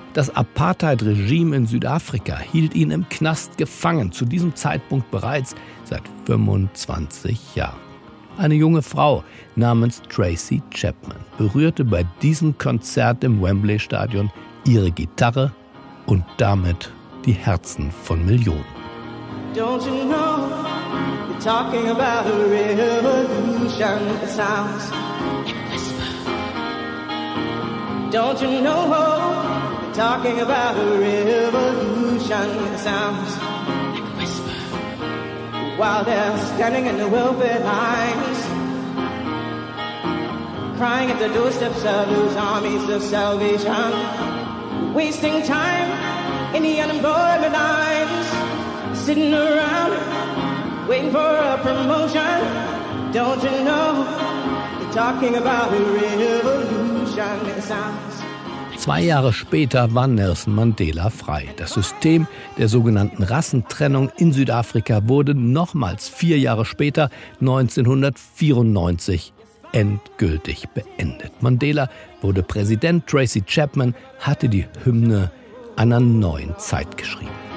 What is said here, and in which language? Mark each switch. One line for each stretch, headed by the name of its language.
German: Das Apartheid-Regime in Südafrika hielt ihn im Knast gefangen, zu diesem Zeitpunkt bereits seit 25 Jahren. Eine junge Frau namens Tracy Chapman berührte bei diesem Konzert im Wembley-Stadion ihre Gitarre und damit die Herzen von Millionen.
English: Don't you know, we're talking about a revolution that sounds like a whisper. Don't you know, we're talking about a revolution that sounds like a whisper. While they're standing in the welfare lines, crying at the doorsteps of those armies of salvation, wasting time in the unemployment lines, sitting around waiting for a promotion. Don't you know, you're talking about a revolution that sounds.
German: 2 Jahre später war Nelson Mandela frei. Das System der sogenannten Rassentrennung in Südafrika wurde nochmals 4 Jahre später, 1994, endgültig beendet. Mandela wurde Präsident, Tracy Chapman hatte die Hymne einer neuen Zeit geschrieben.